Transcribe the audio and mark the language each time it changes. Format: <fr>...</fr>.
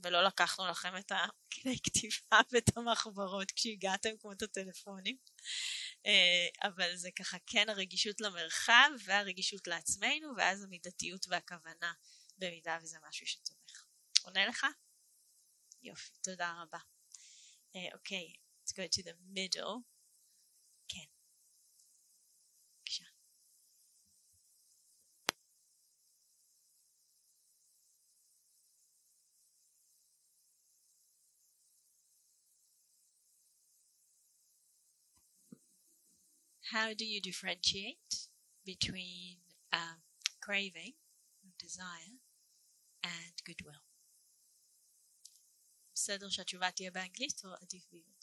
<he>ולא לקחנו לכם את הכתיבה ואת המחברות כשהגעתם כמו את הטלפונים. אבל זה ככה, כן, הרגישות למרחב והרגישות לעצמנו, ואז המידתיות והכוונה במידה, וזה משהו שתומך. עונה לך? יופי, תודה רבה. אוקיי,</he> <en>let's go to the middle.</en> <he>כן. בבקשה.</he> <en>How do you differentiate between craving, desire, and goodwill?</en> <he>בסדר שהתשובה תהיה באנגלית או עדיף בעברית?</he>